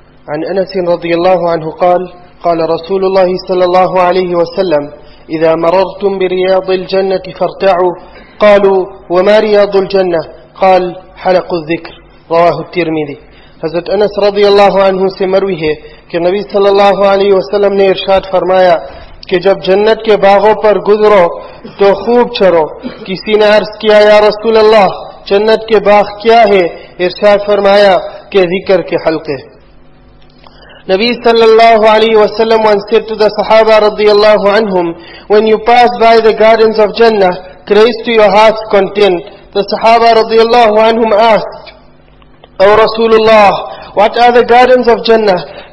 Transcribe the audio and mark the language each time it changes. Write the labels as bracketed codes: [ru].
[ar] عن أنس رضي الله عنه قال قال رسول الله صلى الله عليه وسلم إذا مررتم برياض الجنة فارتعوا. قالوا وما رياض الجنة؟ قال حلق الذكر. رواه الترمذي. [ur] حضرت أنس رضي الله عنه سے مروی ہے کہ نبی صلى الله عليه وسلم نے ارشاد فرمایا کہ جب جنت کے باغوں پر گزرو تو خوب چرو. کسی نے عرض کیا یا رسول اللہ جنت کے باغ کیا ہے؟ ارشاد فرمایا کہ ذکر کے حلقے. [en] Nabi sallallahu alayhi wa sallam once said to the Sahaba radiyallahu anhum, when you pass by the gardens of Jannah, grace to your heart's content. The Sahaba radiyallahu anhum asked, O Rasulullah, what are the gardens of Jannah?